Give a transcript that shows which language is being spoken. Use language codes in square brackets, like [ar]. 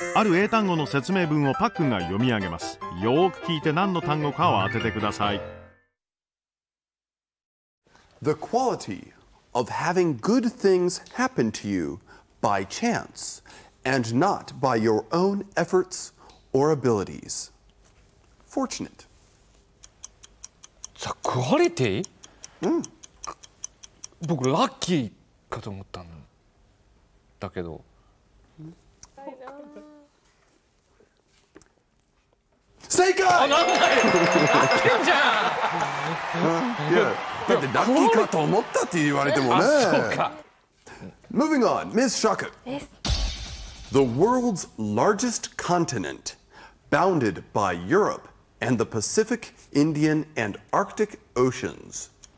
[ja] ある英単語の説明文をパックンが読み上げます。よく聞いて何の単語かを当ててください。 [en] The quality of having good things happen to you by chance and not by your own efforts or abilities. Fortunate. The quality? Mm. [ja] 僕ラッキーかと思ったんだけど。正解！何だよ！ラッキーじゃん！いや、だってラッキーかと思ったって言われてもね。あ、そうか。 [en] Moving on, Ms. Shaka. Yes. The world's largest continent, bounded by Europe and the Pacific, Indian, and Arctic oceans.